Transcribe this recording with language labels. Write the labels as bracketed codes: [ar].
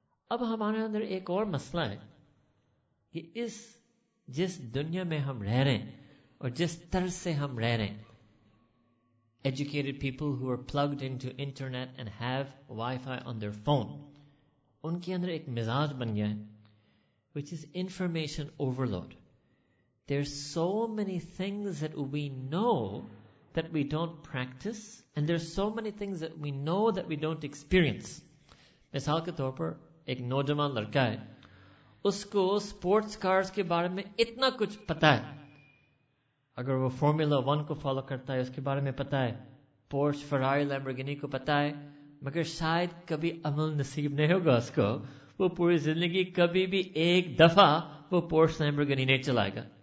[ur] اب ہمارے اندر ایک اور مسئلہ ہے کہ اس جس دنیا میں ہم رہ رہے ہیں اور جس طرح سے ہم رہ رہے ہیں, [en] educated people who are plugged into internet and have Wi-Fi on their phone, [ur] ان کے اندر ایک مزاج بن گیا ہے, [en] which is information overload. There's so many things that we know that we don't practice, and there's so many things that we know that we don't experience. [ur] مثال کے طور پر ایک نوجوان لڑکا ہے, اس کو سپورٹس کارز کے بارے میں اتنا کچھ پتا ہے, اگر وہ فارمولا ون کو فالو کرتا ہے اس کے بارے میں پتا ہے, پورش فراری لیمبرگینی کو پتا ہے, مگر شاید کبھی عمل نصیب نہیں ہوگا اس کو, وہ پوری زندگی کبھی بھی ایک دفعہ وہ پورش لیمبرگینی نہیں چلائے گا.